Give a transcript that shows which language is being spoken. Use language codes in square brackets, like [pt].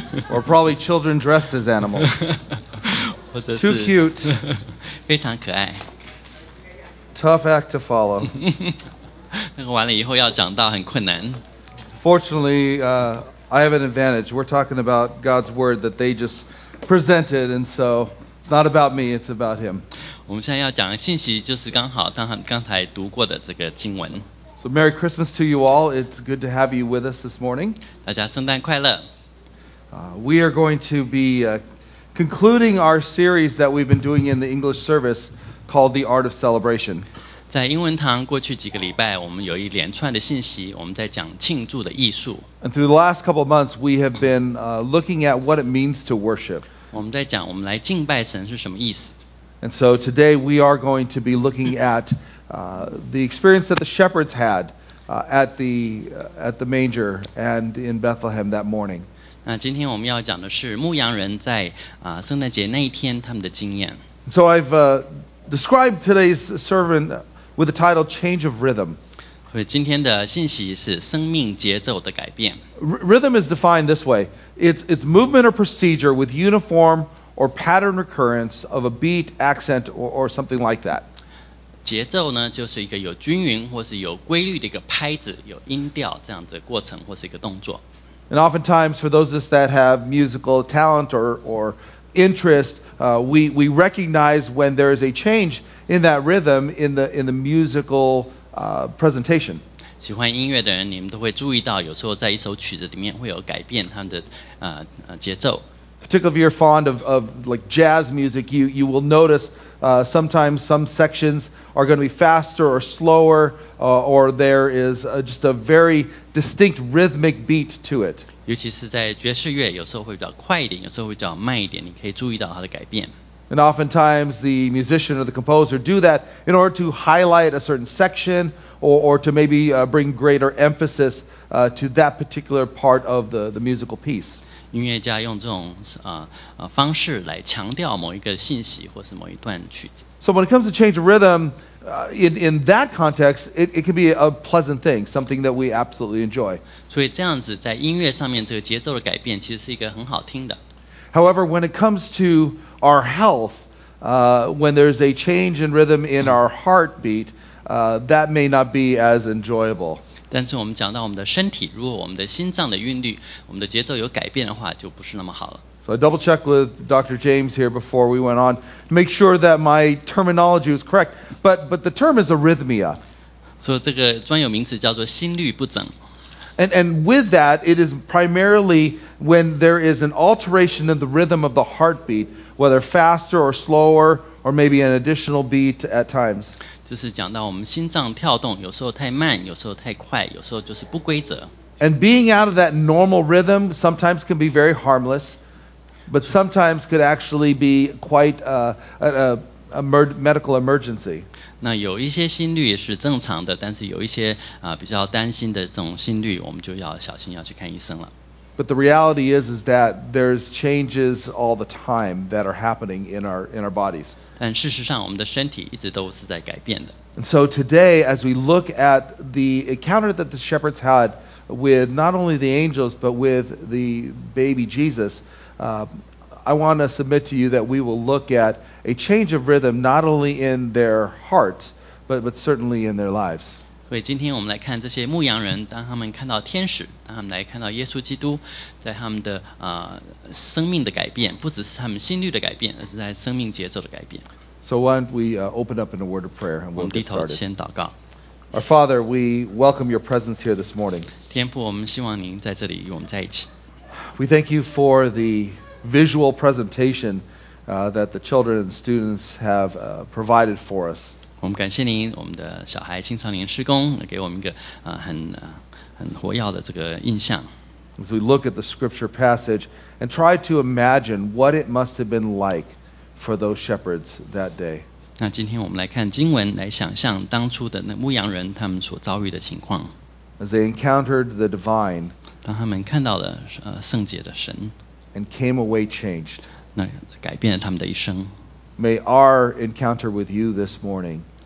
[en] Or probably children dressed as animals. [zh] 或者是 [en] Too cute. [zh] 非常可爱。 [en] Tough act to follow. [zh] 那个完了以后要讲到很困难。 [en] Fortunately, I have an advantage. We're talking about God's word that they just presented, and so it's not about me, it's about him. [zh] 我们现在要讲的信息就是刚好刚才读过的这个经文。 [en] So Merry Christmas to you all. It's good to have you with us this morning. [zh] 大家圣诞快乐。 [en] We are going to be concluding our series that we've been doing in the English service called The Art of Celebration. [zh] 在英文堂过去几个礼拜，我们有一连串的信息，我们在讲庆祝的艺术。 [en] And through the last couple of months, we have been looking at what it means to worship. [zh] 我们在讲我们来敬拜神是什么意思。 [en] And so today we are going to be looking at the experience that the shepherds had at the manger and in Bethlehem that morning. [zh] 那今天我们要讲的是牧羊人在圣诞节那一天他们的经验。 [en] So I've described today's sermon with the title Change of Rhythm. [zh] 所以今天的信息是生命节奏的改变。 [en] Rhythm is defined this way. It's movement or procedure with uniform or pattern recurrence of a beat, accent, or something like that. [zh] 节奏呢，就是一个有均匀或是有规律的一个拍子，有音调这样子的过程或是一个动作。 [en] And oftentimes, for those of us that have musical talent or interest, we recognize when there is a change in that rhythm in the musical presentation. [zh] 喜欢音乐的人，你们都会注意到，有时候在一首曲子里面会有改变他们的节奏。 [en] Particularly if you're fond of like jazz music, you will notice sometimes some sections are going to be faster or slower or there is just a very distinct rhythmic beat to it. [zh] 尤其是在爵士乐，有时候会比较快一点，有时候会比较慢一点，你可以注意到它的改变。 [en] And oftentimes the musician or the composer do that in order to highlight a certain section or to maybe bring greater emphasis to that particular part of the musical piece. [zh] 音乐家用这种方式来强调某一个信息或是某一段曲子。 [en] So when it comes to change of rhythm, in that context, it can be a pleasant thing, something that we absolutely enjoy. [zh] 所以这样子在音乐上面这个节奏的改变其实是一个很好听的。 [en] However, when it comes to our health, when there's a change in rhythm in our heartbeat, that may not be as enjoyable. [zh] 但是我们讲到我们的身体，如果我们的心脏的韵律，我们的节奏有改变的话，就不是那么好了。 [en] So I double checked with Dr. James here before we went on to make sure that my terminology was correct. But the term is arrhythmia. [zh] So 这个专有名词叫做心律不整。 [en] And with that, it is primarily when there is an alteration in the rhythm of the heartbeat, whether faster or slower, or maybe an additional beat at times. [zh] 就是讲到我们心脏跳动，有时候太慢，有时候太快，有时候就是不规则。 [en] And being out of that normal rhythm sometimes can be very harmless, but sometimes could actually be quite a medical emergency. [zh] 那有一些心律是正常的，但是有一些比较担心的这种心律，我们就要小心要去看医生了。 [en] But the reality is that there's changes all the time that are happening in our bodies. [zh] 但事实上，我们的身体一直都是在改变的。 [en] And so today, as we look at the encounter that the shepherds had with not only the angels but with the baby Jesus, I want to submit to you that we will look at a change of rhythm not only in their hearts, but certainly in their lives. [zh] 所以今天我们来看这些牧羊人，当他们看到天使，当他们来看到耶稣基督，在他们的生命的改变，不只是他们心律的改变，而是在生命节奏的改变。 [en] So why don't we open up in a word of prayer and we'll get started. [zh] 我们低头先祷告。 [en] Our Father, we welcome your presence here this morning. [zh] 天父，我们希望您在这里与我们在一起。 [en] We thank you for the visual presentation that the children and students have provided for us. [zh] 我们感谢您，我们的小孩青少年施工给我们一个很活跃的这个印象。 [en] As we look at the scripture passage and try to imagine what it must have been like for those shepherds that day. [zh] 那今天我们来看经文，来想象当初的那牧羊人他们所遭遇的情况。 [en] As they encountered the divine. [zh] 当他们看到了圣洁的神。 [en] And came away changed. [zh] 那改变了他们的一生。 [en] May our encounter with you this morning